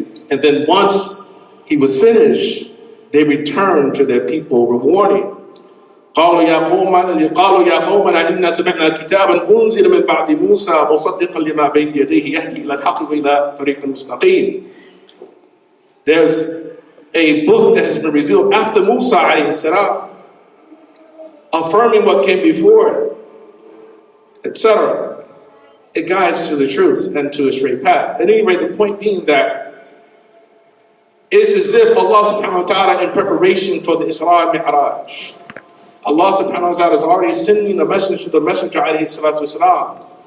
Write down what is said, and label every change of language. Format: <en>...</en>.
<en>And then once he was finished, they returned to their people with warning.</en> <ar>قالوا يا قوم قالوا يا قوم إننا سمعنا كتابا أنزل من بعد موسى مصدقا لما بين يديه يهدي إلى الحق وإلى طريق المستقيم.</ar> <en>There's a book that has been revealed after Musa عليه السلام, affirming what came before, etc. It guides to the truth and to a straight path. At any rate, the point being that it's as if Allah subhanahu wa ta'ala, in preparation for the Isra and Mi'raj, Allah subhanahu wa ta'ala is already sending the message to the Messenger alayhi salatu wasalam.</en>